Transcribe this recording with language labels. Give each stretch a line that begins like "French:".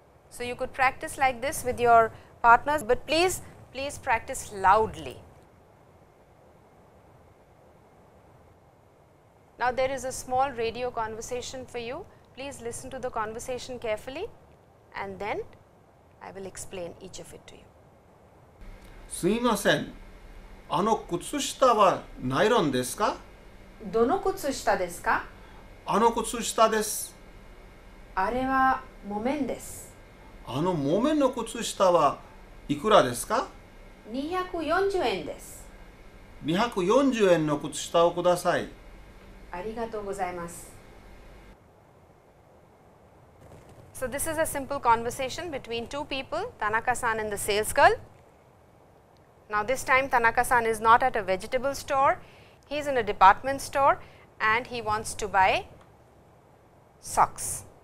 English: So you could practice like this with your partners, but please, please practice loudly. Now there is a small radio conversation for you. Please listen to the conversation carefully, and then I will explain each of it to you.
Japanese: すいません。あの靴下はナイロンですか? どの靴下ですか? あの靴下です。あれは木綿です。あの木綿の靴下はいくらですか? 240円です。 240円の靴下をください。ありがとうございます。
English: So this is a simple conversation between two people, Tanaka-san and the sales girl. Now this time Tanaka-san is not at a vegetable store, he is in a department store and he wants to buy socks.